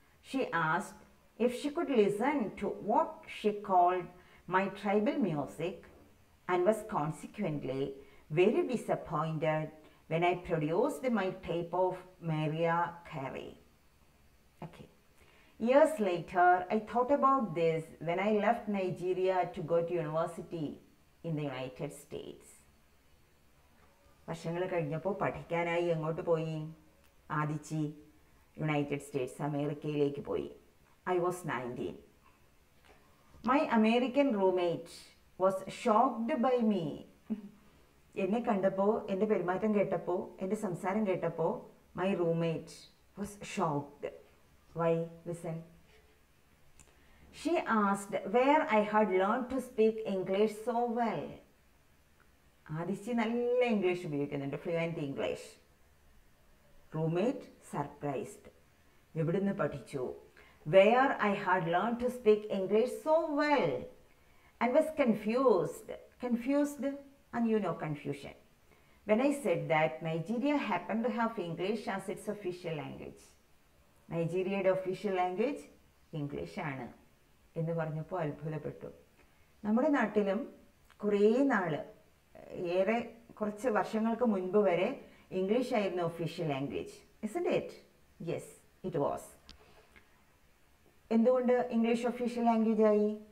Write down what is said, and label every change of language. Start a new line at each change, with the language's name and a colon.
English: She asked if she could listen to what she called my tribal music and was consequently very disappointed when I produced my tape of Mariah Carey. Okay. Years later, I thought about this when I left Nigeria to go to university in the United States.
Malayalam: വർഷങ്ങളെ കഴിഞ്ഞപ്പോൾ പഠിക്കാനായി എങ്ങോട്ട് പോയി ആദിച്ചി? United States, അമേരിക്കയിലേക്ക് പോയി.
English: I was 19. My American roommate was shocked by me.
Malayalam: എന്നെ കണ്ടപ്പോൾ, എൻ്റെ പെരുമാറ്റം കേട്ടപ്പോൾ, എൻ്റെ സംസാരം കേട്ടപ്പോൾ
English: My roommate was shocked. Why? Listen. She asked where I had learned to speak English so well.
Malayalam: Adichie nalla English ubayogikkunnundu,
English: fluent English. Roommate surprised.
Malayalam: Evidunnu padichu?
English: Where I had learned to speak English so well and was confused. Confused, and you know confusion. When I said that Nigeria happened to have English as its official language.
Malayalam: നൈജീരിയയുടെ official language English ആണ്. എന്ന് പറഞ്ഞപ്പോൾ അത്ഭുതപ്പെട്ടു. നമ്മുടെ നാട്ടിലും കുറേ നാൾ, ഏറെ കുറച്ച് വർഷങ്ങൾക്ക് മുൻപ് വരെ ഇംഗ്ലീഷ് ആയിരുന്നു official language.
English: Isn't it? Yes, it was.
Malayalam: എന്തുകൊണ്ട് ഇംഗ്ലീഷ് ഒഫീഷ്യൽ ലാംഗ്വേജ് ആയി?